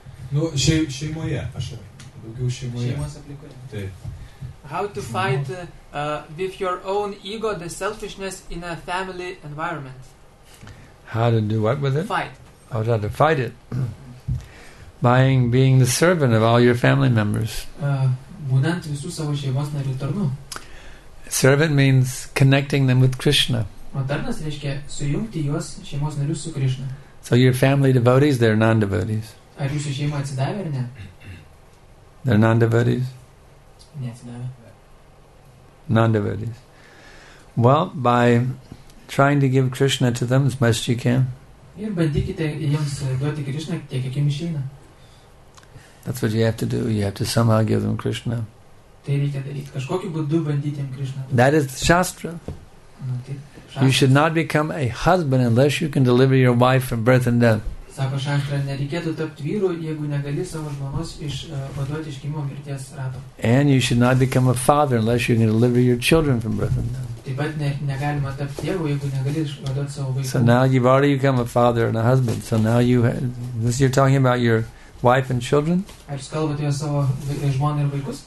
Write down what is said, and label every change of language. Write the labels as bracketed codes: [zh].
[lt] Nu, šeimoje, aš daugiau šeimoje. Šeimos aplikoje. Taip. [en] How to fight with your own ego, the selfishness in a family environment? How to do what with it? Fight. How to fight it? By being the servant of all your family members. [lt] Būnant visų savo šeimos narių tarnu. [en] Servant means connecting them with Krishna. [lt] O tarnas reiškia sujungti juos šeimos narius su Krishna. [en] So your family devotees, they're non-devotees. [lt] Ar jūsų šeima atsidavė ar ne? [en] They're non-devotees. Non-devotees. Well, by trying to give Krishna to them as best you can. [lt] Ir bandykite jiems duoti Krishna tiek, kiek jiems išeina. [en] That's what you have to do. You have to somehow give them Krishna. That is the Shastra. You should not become a husband unless you can deliver your wife from birth and death. [lt] Sako Šastra, nereikėtų tapti vyru, jeigu negali savo žmonos išvaduoti iš gimimo mirties rato. [en] And you should not become a father unless you can deliver your children from birth. [lt] Taip pat negalima tapti tėvu, jeigu negali išvaduoti savo vaikų. [en] So now you've already become a father and a husband. So now you have, this you're talking about your wife and children? [lt] Ar jūs kalbate apie savo žmoną ir vaikus?